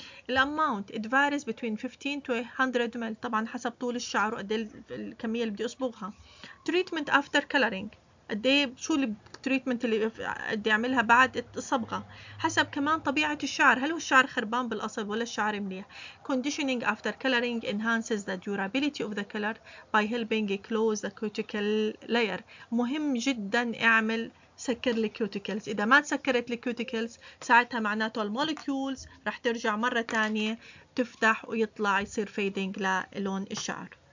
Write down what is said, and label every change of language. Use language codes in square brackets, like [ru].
[ar] الأماونت [en] it varies between 15 to 100 ml [ar] طبعا حسب طول الشعر وقد الكمية اللي بدي أصبغها. [en] treatment after coloring [ar] قد ايه شو التريتمنت اللي بدي اعملها بعد الصبغة حسب كمان طبيعة الشعر، هل هو الشعر خربان بالاصل ولا الشعر مليح. [en] conditioning after coloring enhances the durability of the color by helping close the cuticle layer. [ar] مهم جدا اعمل سكر الكيوتيكلز، اذا ما تسكرت الكيوتيكلز ساعتها معناته المولكيولز رح ترجع مرة تانية تفتح ويطلع يصير فيدينج للون الشعر.